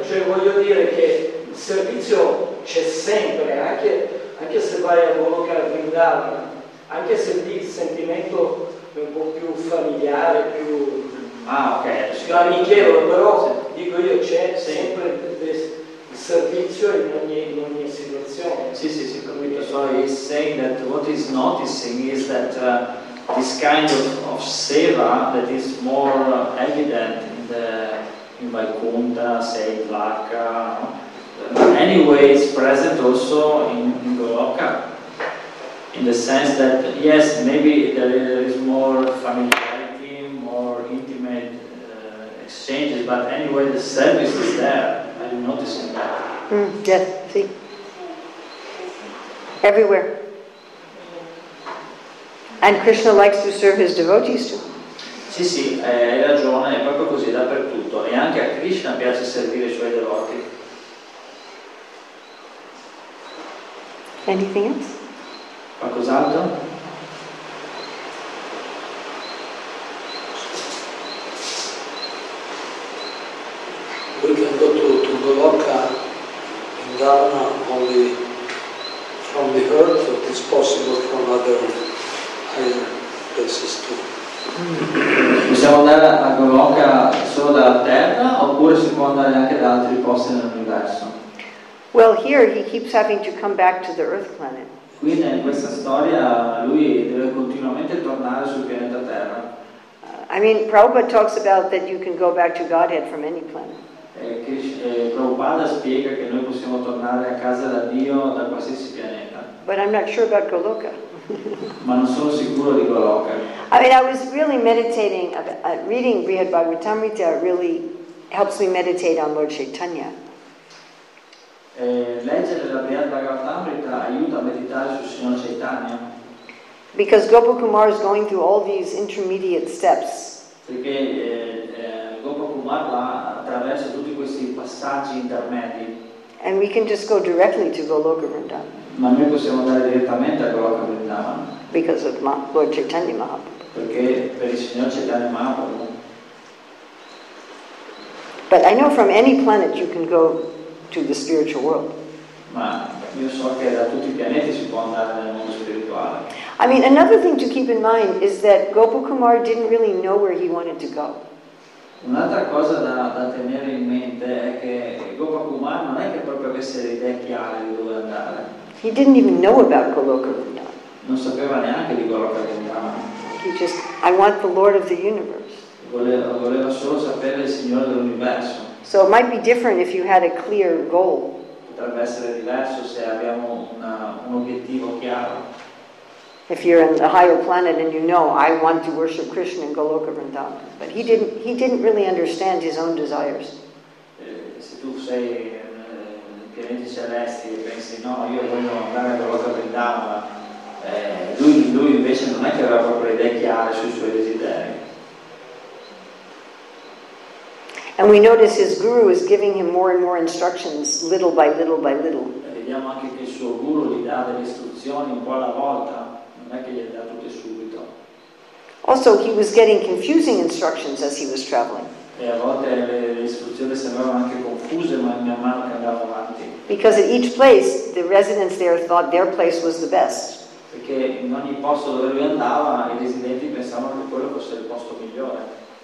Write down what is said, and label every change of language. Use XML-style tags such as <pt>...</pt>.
<it>Cioè voglio dire che il servizio c'è sempre, anche se vai a collocare Vrindavan, anche se lì il sentimento è un po' più familiare, più... amichevole, però dico io c'è sempre il servizio in ogni situazione. Sì, capito.</it> <en>So he's saying that what he's noticing is that this kind of seva that is more evident in Vaikuntha, say in Dvarka, anyway it's present also in Goloka, in the sense that yes, maybe there is more familiarity, more intimate exchanges, but anyway the service is there. I'm noticing that. Yes, see. Everywhere. And Krishna likes to serve his devotees too.</en> <it>Sì, hai ragione, è proprio così dappertutto. E anche a Krishna piace servire i suoi devoti.</it> <en>Anything else?</en> <it>Qualcos'altro?</it> <en>We can go to Goloka in Dharma only from the earth, or it's possible from other higher places too.</en> <it>Possiamo andare a Goloka solo dalla terra, oppure si può andare anche da altri posti nell'universo?</it> <en>Well, here he keeps having to come back to the Earth planet.</en> <it>Quindi in questa storia lui deve continuamente tornare sul pianeta Terra.</it> <en>I mean, Prabhupada talks about that you can go back to Godhead from any planet.</en> <it>Prabhupada spiega che noi possiamo tornare a casa da Dio da qualsiasi pianeta.</it> <en>But I'm not sure about Goloka.</en> <it>Ma non sono sicuro di Goloka.</it> <en>I mean, I was really meditating, reading Brihad Bhagavatamrita really helps me meditate on Lord Chaitanya.</en> <it>Leggere la Brihad Bhagavatamrita aiuta a meditare sul Signore Chaitanya.</it> <en>Because Gopakumar is going through all these intermediate steps.</en> <it>Perché Gopakumar va attraverso tutti questi passaggi intermedi.</it> <en>And we can just go directly to Goloka Vrindavan.</en> <it>Ma noi possiamo andare direttamente a Goloka Vrindavan.</it> <en>Because of Lord Chaitanya Mahaprabhu.</en> <it>Perché per il Signore Chaitanya Mahaprabhu.</it> <en>But I know from any planet you can go to the spiritual world.</en> <it>Ma io so che da tutti I pianeti si può andare nel mondo spirituale.</it> <en>I mean, another thing to keep in mind is that Gopakumar didn't really know where he wanted to go.</en> <it>Un'altra cosa da tenere in mente è che Gopakumar non è che proprio avesse l'idea chiara di dove andare.</it> <en>He didn't even know about Goloka Vrindavan.</en> <it>Non sapeva neanche di Goloka Vrindavan.</it> <en>He just, I want the Lord of the Universe.</en> <it>Voleva solo sapere il Signore dell'Universo.</it> <en>So it might be different if you had a clear goal.</en> <it>Potrebbe essere diverso se abbiamo un obiettivo chiaro.</it> <en>If you're in a higher planet and you know, I want to worship Krishna in Goloka Vrindavan. But he didn't really understand his own desires.</en> <it>Se tu sei pianeti celesti e pensi no, io voglio andare a Goloka Vrindavan, lui invece non è che aveva proprio idee chiare sui suoi desideri.</it> <en>And we notice his guru is giving him more and more instructions, little by little by little.</en> <it>E vediamo anche che il suo guru gli dà delle istruzioni un po' alla volta, non è che gli dà tutte subito.</it> <en>Also, he was getting confusing instructions as he was traveling.</en> <it>E a volte le istruzioni sembravano anche confuse man mano che andavo avanti.</it> <en>Because at each place, the residents there thought their place was the best.</en> <it>Perché in ogni posto dove lui andava, I residenti pensavano che quello fosse il posto migliore.</it>